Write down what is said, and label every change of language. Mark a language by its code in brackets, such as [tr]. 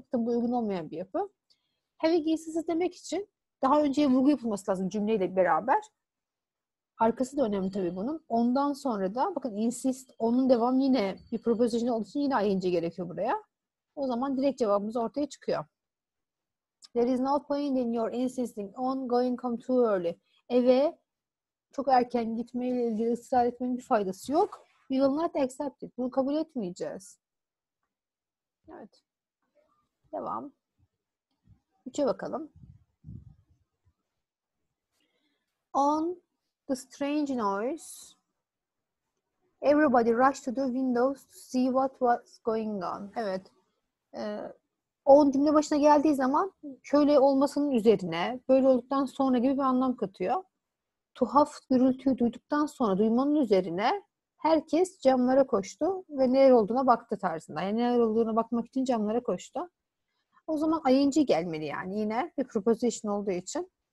[tr] Tam bu uygun olmayan bir yapı. Having insist demek için daha önceye vurgu yapılması lazım cümleyle beraber. Arkası da önemli tabii bunun. Ondan sonra da bakın insist, onun devam yine bir preposition olduğu için yine ing gerekiyor buraya. O zaman direkt cevabımız ortaya çıkıyor. [en] There is no point in your insisting on going home too early. [tr] Eve çok erken gitmeyle ilgili ısrar etmenin bir faydası yok. [en] We will not accept it. [tr] Bunu kabul etmeyeceğiz. Evet. Devam. 3'e bakalım. [en] On the strange noise, everybody rushed to the windows to see what was going on. [tr] Evet. On cümle başına geldiği zaman şöyle olmasının üzerine, böyle olduktan sonra gibi bir anlam katıyor. Tuhaf gürültüyü duyduktan sonra, duymanın üzerine herkes camlara koştu ve neler olduğuna baktı tarzında. Yani neler olduğuna bakmak için camlara koştu. O zaman ing gelmeli yani yine bir preposition olduğu için.